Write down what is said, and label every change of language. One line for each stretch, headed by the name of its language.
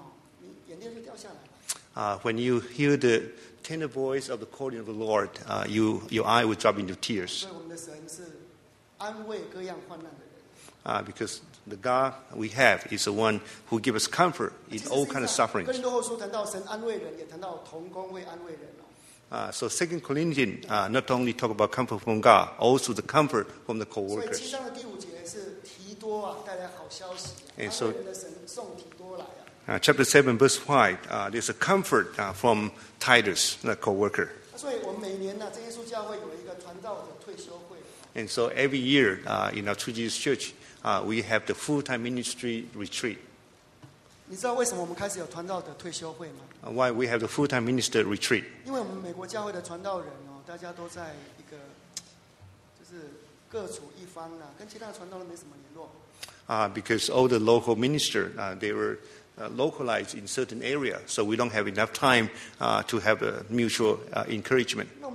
Chinese: 所以一听到主耶稣那个呼声，你眼泪就掉下来了。
English: When you hear the tender voice of the calling of the Lord, your eye will drop into tears.
Chinese: 所以我们的神是安慰各样患难的人。
English: Because the God we have is the one who gives us comfort in all kinds of suffering.
Chinese: 更多后书谈到神安慰人，也谈到同工会安慰人。
English: Second Corinthians not only talk about comfort from God, also the comfort from the co-workers.
Chinese: 所以七章的第五节是提多带来好消息，安慰人的神送提多来。
English: Chapter 7, verse 5, there's a comfort from Titus, the co-worker.
Chinese: 所以我们每年呢，真耶稣教会有一个传道的退休会。
English: And so every year in our True Jesus Church, we have the full-time ministry retreat.
Chinese: 你知道为什么我们开始有传道的退休会吗？
English: Why we have the full-time minister retreat?
Chinese: 因为我们美国教会的传道人哦，大家都在一个，就是各处一方啦，跟其他的传道人没什么联络。
English: Because all the local ministers, they were localized in certain areas, so we don't have enough time to have a mutual encouragement.